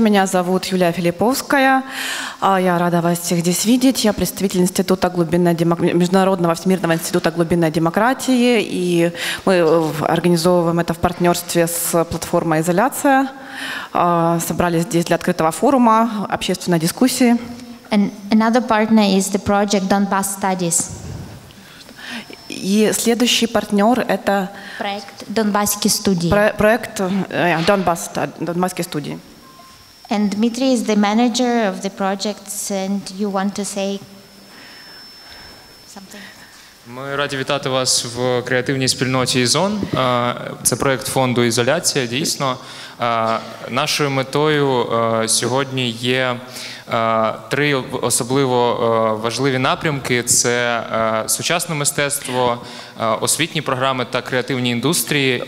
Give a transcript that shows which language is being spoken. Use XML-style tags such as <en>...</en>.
<ru>Меня зовут Юлия Филипповская. Я рада вас всех здесь видеть. Я представитель института глубинной международного всемирного института глубинной демократии, и мы организовываем это в партнерстве с платформой Изоляция. Собрались здесь для открытого форума, общественной дискуссии.</ru> <en>And another partner is the project Donbass Studies.</en> <ru>И следующий партнер – это проект Донбасские студии. Проект Донбасс, Донбасские студии.</ru> <en>And Dmitry is the manager of the projects, and you want to say something?</en> <uk>Ми раді вітати вас в креативній спільноті ІЗОН. Це проект фонду «Ізоляція». Дійсно, нашою метою сьогодні є три особливо важливі напрямки. Це сучасне мистецтво, освітні програми та креативні індустрії.</uk>